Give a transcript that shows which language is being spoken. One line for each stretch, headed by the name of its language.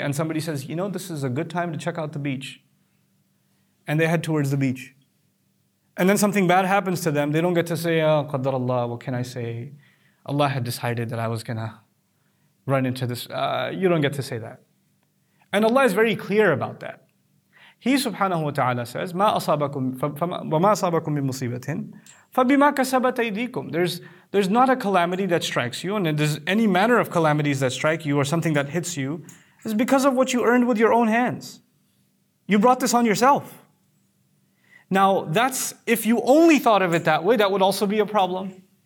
English: And somebody says, you know, this is a good time to check out the beach. And they head towards the beach. And then something bad happens to them. They don't get to say, oh, Qadr Allah, what can I say? Allah had decided that I was going to run into this. You don't get to say that. And Allah is very clear about that. He subhanahu wa ta'ala says,
Arabic: وَمَا أَصَابَكُم بِمُصِيبَةٍ فَبِمَا كَسَبَتْ أَيْدِيكُمْ.
English: There's not a calamity that strikes you, and there's any manner of calamities that strike you or something that hits you, is because of what you earned with your own hands. You brought this on yourself. Now, that's, if you only thought of it that way, that would also be a problem.